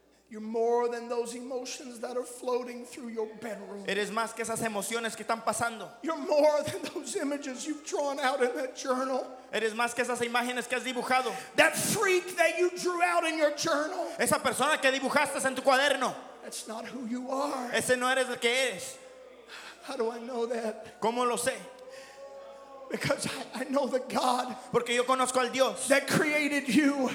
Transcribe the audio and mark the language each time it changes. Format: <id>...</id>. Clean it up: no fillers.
<en>You're more than those emotions that are floating through your bedroom.</en> <es>Eres más que esas emociones que están pasando.</es> <en>You're more than those images you've drawn out in that journal.</en> <es>Eres más que esas imágenes que has dibujado.</es> <en>That freak that you drew out in your journal.</en> <es>Esa persona que dibujaste en tu cuaderno.</es> <en>That's not who you are.</en> <es>Ese no eres el que eres.</es> <en>How do I know that?</en> <es>¿Cómo lo sé?</es> <en>Because I know the God.</en> <es>Porque yo conozco al Dios</es> <en>that created you.</en>